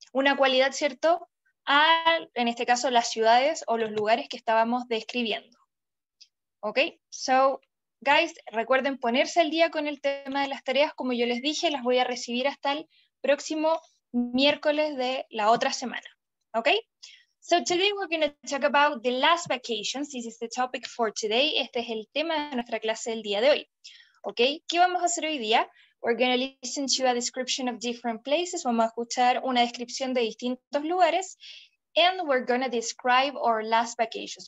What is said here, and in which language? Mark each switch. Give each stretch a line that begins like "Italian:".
Spanish: Una cualidad, ¿cierto? A, en este caso, las ciudades o los lugares que estábamos describiendo. ¿Ok? So, guys, recuerden ponerse al día con el tema de las tareas. Como yo les dije, las voy a recibir hasta el próximo miércoles de la otra semana. ¿Ok?
English: So, today we're going to talk about the last vacations. This is the topic for today.
Spanish: Este es el tema de nuestra clase del día de hoy. ¿Ok? ¿Qué vamos a hacer hoy día?
English: We're going to listen to a description of different places.
Spanish: Vamos a escuchar una descripción de distintos lugares.
English: And we're going to describe our last vacations.